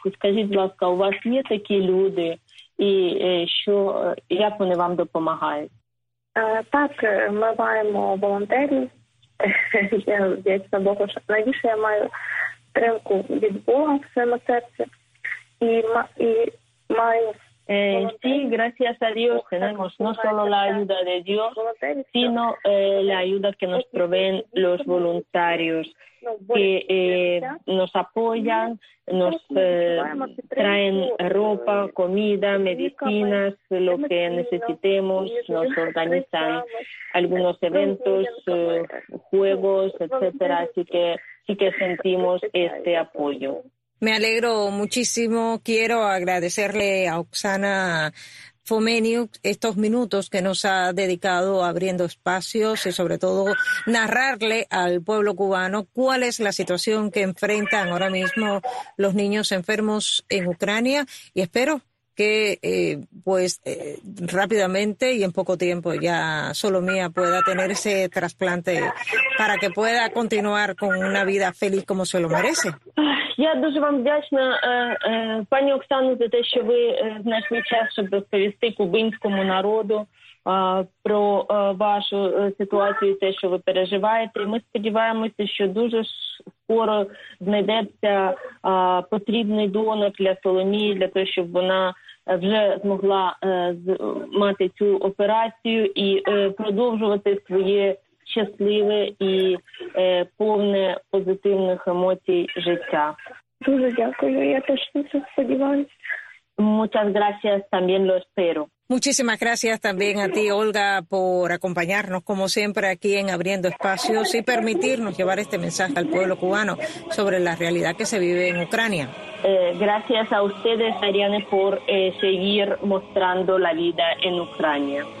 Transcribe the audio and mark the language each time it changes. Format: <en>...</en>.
<uk>Скажіть, будь ласка, у вас є такі люди, і що, як вони вам допомагають? Так, ми маємо волонтерів. Я на Бога, що найбільше я маю підтримку від Бога в своєму серці. І маю</uk> <es>Sí, gracias a Dios tenemos no solo la ayuda de Dios, sino la ayuda que nos proveen los voluntarios, que nos apoyan, nos traen ropa, comida, medicinas, lo que necesitemos, nos organizan algunos eventos, juegos, etcétera, así que sí que sentimos este apoyo. Me alegro muchísimo. Quiero agradecerle a Oksana Fomeniuk estos minutos que nos ha dedicado abriendo espacios y sobre todo narrarle al pueblo cubano cuál es la situación que enfrentan ahora mismo los niños enfermos en Ucrania. Y espero que rápidamente y en poco tiempo ya solo mía pueda tener ese trasplante para que pueda continuar con una vida feliz como se lo merece.</es> <uk>Я дуже вам вдячна, пані Оксано, за те, що ви знайшли час, щоб розповісти кубинському народу про вашу ситуацію, те, що ви переживаєте. І ми сподіваємося, що дуже скоро знайдеться потрібний донор для Соломії, для того, щоб вона вже змогла мати цю операцію і продовжувати своє щасливе і повне позитивних емоцій життя. Дуже дякую, я теж дуже сподіваюся.</uk> <es>Muchas gracias, también lo espero. Muchísimas gracias también a ti, Olga, por acompañarnos, como siempre, aquí en Abriendo Espacios y permitirnos llevar este mensaje al pueblo cubano sobre la realidad que se vive en Ucrania. Gracias a ustedes, Ariane, por seguir mostrando la vida en Ucrania.</es>